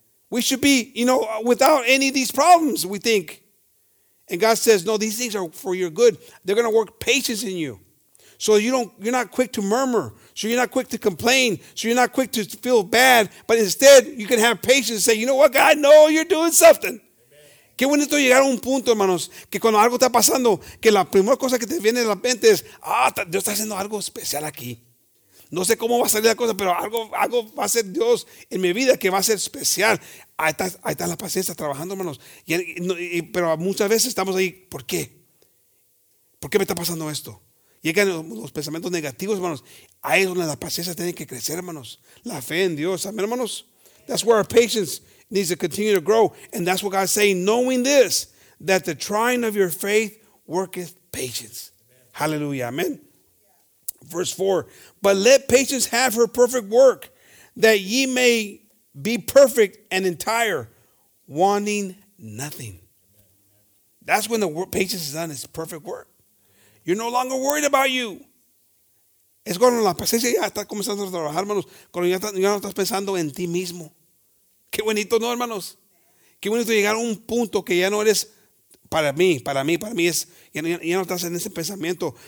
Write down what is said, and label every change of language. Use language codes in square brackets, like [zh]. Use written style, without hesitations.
[en] We should be, you know, without any of these problems, we think. And God says, no, these things are for your good. They're going to work patience in you. So you're not quick to murmur. So you're not quick to complain. So you're not quick to feel bad. But instead, you can have patience and say, you know what, God? No, you're doing something. [es] Qué bonito llegar a un punto, hermanos, que cuando algo está pasando, que la primera cosa que te viene a la mente es, ah, Dios está haciendo algo especial aquí. No sé cómo va a salir la cosa, pero algo va a ser Dios en mi vida que va a ser especial. Ahí está la paciencia trabajando, hermanos. Pero muchas veces estamos ahí, ¿por qué? ¿Por qué me está pasando esto? Llegan los pensamientos negativos, hermanos. Ahí es donde la paciencia tiene que crecer, hermanos. La fe en Dios, amén, hermanos. [en] That's where our patience needs to continue to grow. And that's what God's saying, knowing this, that the trying of your faith worketh patience. Amen. Hallelujah. Amen. Yeah. Verse 4. But let patience have her perfect work, that ye may be perfect and entire, wanting nothing. Amen. That's when the patience is done, it's perfect work. You're no longer worried about you. [es] Es cuando la paciencia ya está comenzando a trabajar, hermanos. Cuando ya no estás pensando en ti mismo. Qué bonito, ¿no, hermanos? Qué bonito llegar a un punto que ya no eres para mí es, ya no estás en ese pensamiento.